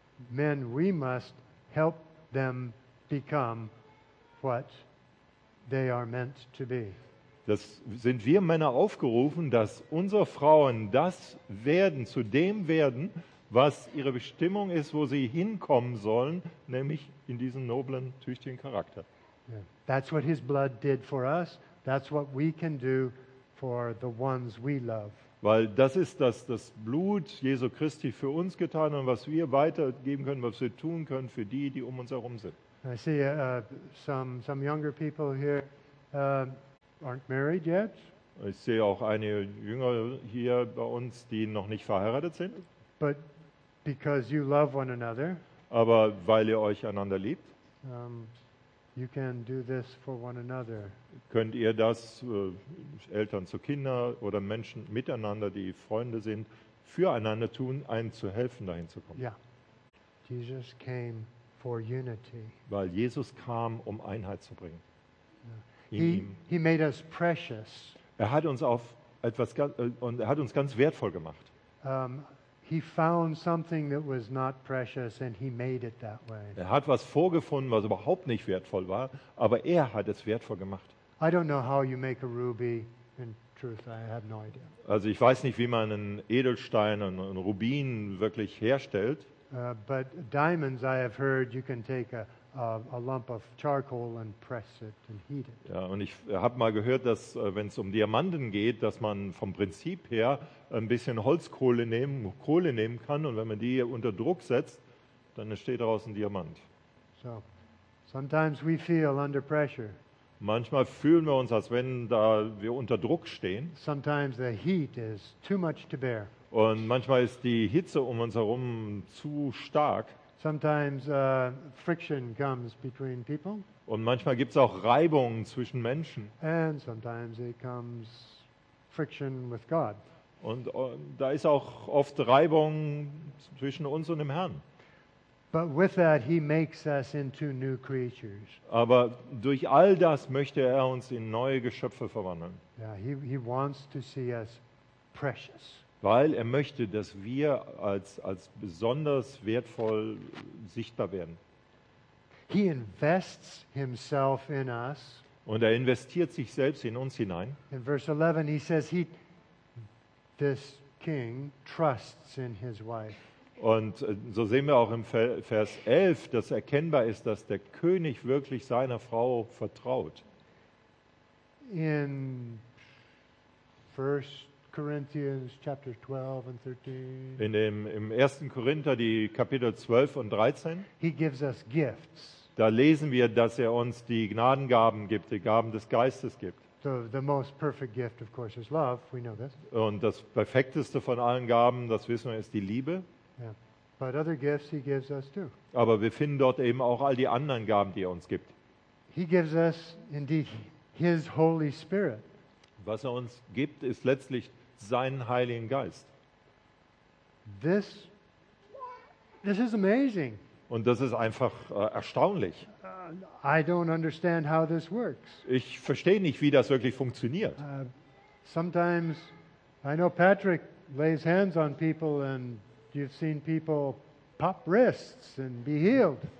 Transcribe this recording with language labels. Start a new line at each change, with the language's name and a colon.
English: Men, we must help them become what they are meant to be.
German: Das sind wir Männer aufgerufen, dass unsere Frauen das werden, zu dem werden, was ihre Bestimmung ist, wo sie hinkommen sollen, nämlich in diesen noblen, tüchtigen Charakter.
English: Yeah. That's what his blood did for us. That's what we can do for the ones we love.
German: Weil das ist das Blut Jesu Christi für uns getan und was wir weitergeben können, was wir tun können für die, die um uns herum sind.
English: I see some younger people here aren't married yet.
German: Ich sehe auch einige Jünger hier bei uns, die noch nicht verheiratet sind.
English: But because you love one another.
German: Aber weil ihr euch einander liebt.
English: You can do this for one another.
German: Könnt ihr das Eltern zu Kindern oder Menschen miteinander, die Freunde sind, füreinander tun, einen zu helfen, dahin zu kommen?
English: Yeah. Jesus came for unity.
German: Weil Jesus kam, um Einheit zu bringen.
English: He made us precious.
German: Er hat uns auf etwas und er hat uns ganz wertvoll gemacht.
English: He found something that was not precious and he made it that way.
German: Er hat was vorgefunden, was überhaupt nicht wertvoll war, aber er hat es wertvoll gemacht.
English: I don't know how you make a ruby. In truth, I have no idea.
German: Also ich weiß nicht, wie man einen Edelstein, einen Rubin wirklich herstellt.
English: But diamonds, I have heard, you can take a lump of charcoal and press it and heat it.
German: Ja, und ich habe mal gehört, dass wenn es um Diamanten geht, dass man vom Prinzip her ein bisschen Kohle nehmen kann und wenn man die unter Druck setzt, dann entsteht daraus ein Diamant.
English: So, sometimes we feel under pressure.
German: Manchmal fühlen wir uns, als wenn da wir unter Druck stehen.
English: Sometimes the heat is too much to bear.
German: Und manchmal ist die Hitze um uns herum zu stark.
English: Sometimes friction comes between people.
German: Und manchmal gibt's auch Reibungen zwischen Menschen.
English: And sometimes it comes friction with God.
German: Und da ist auch oft Reibung zwischen uns und dem Herrn.
English: But with that he makes us into new creatures.
German: Aber durch all das möchte er uns in neue Geschöpfe verwandeln.
English: Yeah, he wants to see us precious.
German: Weil er möchte, dass wir als besonders wertvoll sichtbar werden.
English: He invests himself in us.
German: Und er investiert sich selbst in uns hinein.
English: In verse 11 he says this king trusts in his wife.
German: Und so sehen wir auch im Vers 11, dass erkennbar ist, dass der König wirklich seiner Frau vertraut.
English: In 1 Corinthians chapter 12 and 13.
German: Im 1. Korinther die Kapitel 12 und 13.
English: He gives us gifts.
German: Da lesen wir, dass er uns die Gnadengaben gibt, die Gaben des Geistes gibt.
English: The most perfect gift of course is love, we know this.
German: Und das perfekteste von allen Gaben, das wissen wir, ist die Liebe.
English: Yeah. But other gifts he gives us too.
German: Aber wir finden dort eben auch all die anderen Gaben, die er uns gibt.
English: He gives us indeed his Holy Spirit.
German: Was er uns gibt, ist letztlich seinen Heiligen Geist.
English: This is amazing.
German: Und das ist einfach erstaunlich.
English: I don't understand how this works.
German: Ich verstehe nicht, wie das wirklich funktioniert.
English: Sometimes I know Patrick lays hands on people and you've seen people pop wrists and be healed.